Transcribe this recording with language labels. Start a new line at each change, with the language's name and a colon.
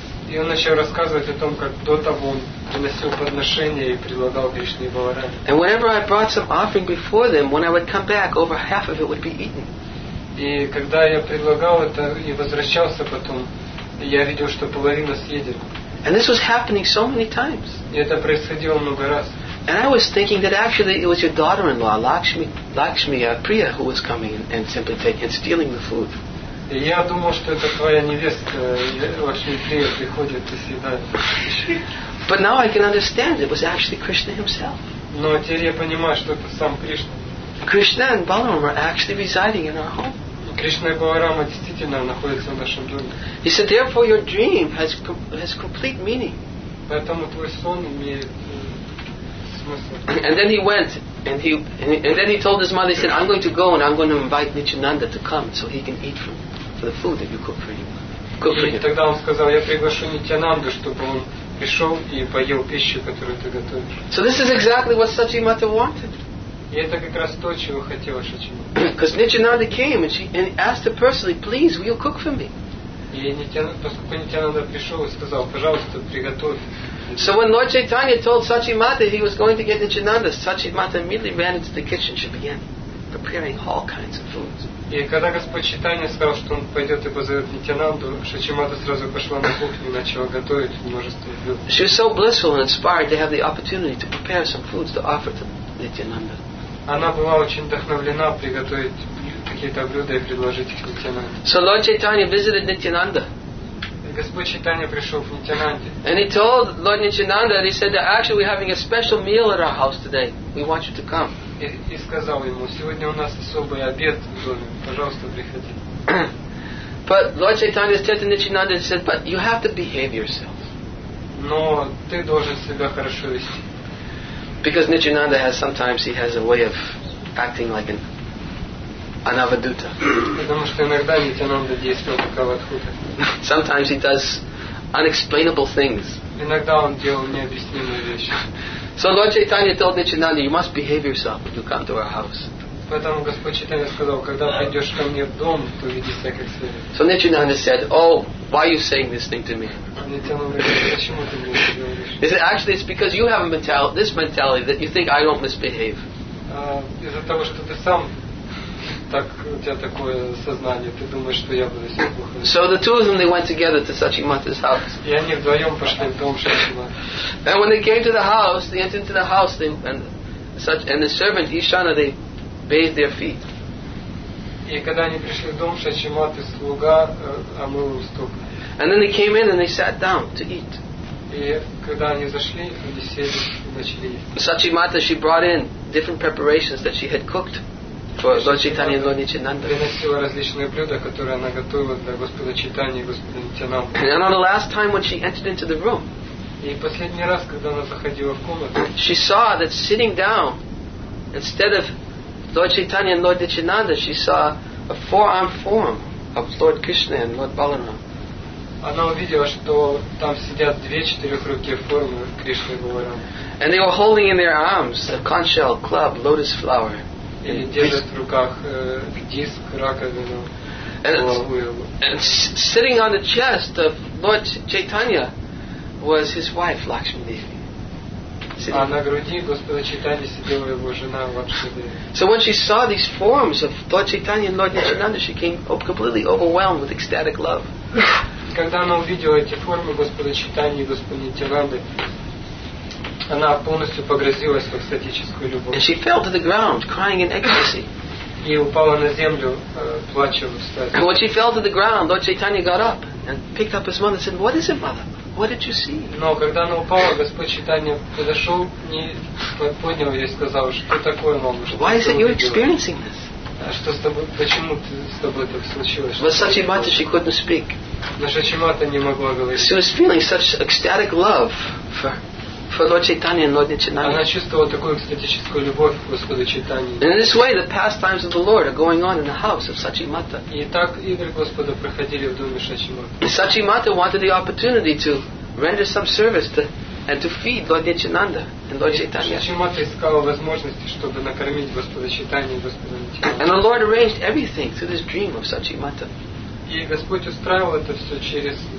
Russian: И он начал рассказывать о том, как до того он приносил подношения и предлагал Кришне и Балараме.
English: And whenever I brought some offering before them, when I would come back, over half of it would be eaten.
Russian: И когда я предлагал это и возвращался потом, я видел, что половина съедена.
English: And this was happening so many times.
Russian: И это происходило много раз.
English: And I was thinking that actually it was your daughter-in-law, Lakshmi Priya, who was coming and simply taking and stealing the food.
Russian: И я думал, что это твоя невеста, очень приятно приходит и съедает. Но
English: I can understand it was actually Krishna himself.
Russian: Но теперь я понимаю, что это сам Кришна.
English: Krishna and Balaram are actually residing in our home.
Russian: Кришна и Баларама действительно находятся в нашем доме.
English: He said, therefore your dream has complete meaning.
Russian: Поэтому твой сон имеет смысл.
English: And then he went. And then he told his mother, he said, I'm going to go and I'm going to invite Nityananda to come so he can eat for the food that you cook for him.
Russian: Тогда он сказал, я приглашу Нитянанду, чтобы он пришел и поел пищу, которую ты готовишь.
English: So this is exactly what Sachimata wanted.
Russian: И это как раз то, чего хотела Шачимата.
English: Because Nityananda came and asked her personally, please, will you cook for me?
Russian: И поскольку Нитянанда пришел и сказал, пожалуйста, приготовь.
English: So when Lord Chaitanya told Sachimata he was going to get Nityananda, Sachimata immediately ran into the kitchen. She began preparing all kinds of foods.
Russian: И когда Господь Читания сказал, что он пойдет и позовет Нитянанду, Шачимата сразу пошла на кухню и начала готовить множество блюд.
English: She was so blissful and inspired to have the opportunity to prepare some foods to offer to Nityananda.
Russian: Она была очень вдохновлена приготовить какие-то блюда и предложить их Нитянанде.
English: So Lord Chaitanya visited Nityananda.
Russian: Господь Читания пришел в Нитянанде.
English: And he told Lord Nityananda, he said that actually we're having a special meal at our house today. We want you to come.
Russian: И сказал ему: сегодня у нас особый обед в доме, пожалуйста, приходи.
English: But Lord Chaitanya said to Nityananda, he said, but you have to behave yourself.
Russian: Но ты должен себя хорошо вести.
English: Because Nityananda has sometimes he has a way of acting like an anavaduta.
Russian: Потому что иногда Нитянанда действует как авадхута.
English: Sometimes he does unexplainable things.
Russian: Иногда он делает необъяснимые вещи.
English: So Lord Chaitanya told Nityananda, you must behave yourself when you come to our house.
Russian: Поэтому Господь Читания сказал, когда придешь ко мне в дом, то веди себя как следует.
English: So Nityananda said, oh, why are you saying this thing to me? He said, actually, it's because you have a mentality, this mentality that you think I don't misbehave.
Russian: Из-за того, что ты сам так, у тебя такое сознание, ты думаешь, что я буду себя плохо.
English: So the two of them, they went together to Sachimata's house.
Russian: И они вдвоем пошли в дом Сачимата.
English: And when they came to the house, they entered into the house, they, and such, and the servant, Ishana, they bathed their feet.
Russian: И когда они пришли в дом Сачимата, слуга омыл стопы.
English: And then they came in and they sat down to eat.
Russian: И когда они зашли, они сели и начали есть.
English: Сачимата, she brought in different preparations that she had cooked for Lord Chaitanya and Lord Nityananda.
Russian: Приносила различные блюда, которые она готовила для Господа Чайтаньи и Господа Нитянанды.
English: And on the last time when she entered into the room,
Russian: и последний раз, когда она заходила в комнату,
English: she saw that sitting down, instead of Lord Chaitanya and Lord Nityananda, she saw a four-armed form of Lord Krishna and Lord Balaram.
Russian: Она увидела, что там сидят две четырехрукие формы Кришны и Баларам.
English: And they were holding in their arms a conch shell, club, lotus flower.
Russian: И держит в руках диск, раковину, голову.
English: And sitting on the chest of Lord Chaitanya was his wife, Lakshmi Devi.
Russian: А на груди Господа Чайтаньи сидела его жена, Лакшми Деви.
English: So when she saw these forms of Lord Chaitanya and Lord Nityananda, she came completely overwhelmed with ecstatic love.
Russian: Когда она увидела эти формы Господа Чайтаньи и Господа Нитянанды, она полностью погрузилась в экстатическую любовь.
English: And she fell to the ground, crying in ecstasy.
Russian: И упала на землю, плача в экстазе.
English: And when she fell to the ground, Lord Chaitanya got up and picked up his mother and said, "What is it, mother? What did you see?"
Russian: Но когда она упала, Господь Чайтанья подошел, не поднял ее и сказал, что такое, мама, что
English: Why is it you're experiencing this?
Russian: Что с тобой, почему с тобой так случилось?
English: But Сачимата, she couldn't speak.
Russian: Но Сачимата не могла говорить.
English: She was feeling such ecstatic love for Lord Chaitanya and Lord Nityananda.
Russian: Она чувствовала такую экстатическую любовь к Господу Чайтанье.
English: In this way, the pastimes of the Lord are going on in the house of Сачимата.
Russian: И так игры Господа проходили в доме Сачимата.
English: Сачимата wanted the opportunity to render some service to feed Lord Nityananda and Lord Chaitanya.
Russian: Сачимата искала возможности, чтобы накормить Господа Чайтанье и Господа Нитянанду.
English: And the Lord arranged everything through this dream of Сачимата.
Russian: И Господь устраивал это все через